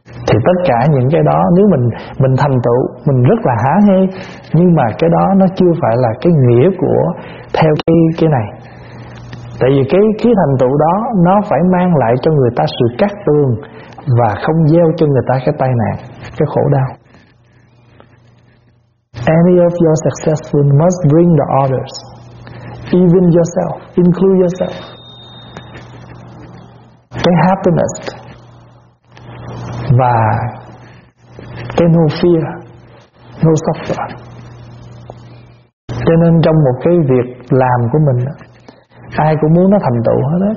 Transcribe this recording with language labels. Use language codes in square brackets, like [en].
[vi] Thì tất cả những cái đó, nếu mình thành tựu, mình rất là há hê. Nhưng mà cái đó nó chưa phải là cái nghĩa của theo cái này. Tại vì cái thành tựu đó nó phải mang lại cho người ta sự cát tường và không gieo cho người ta cái tai nạn, cái khổ đau. [en] Any of your successful must bring the others, even yourself, include yourself. Cái happiness và cái no fear, no suffer. [vi] Cho nên trong một cái việc làm của mình, ai cũng muốn nó thành tựu hết đó.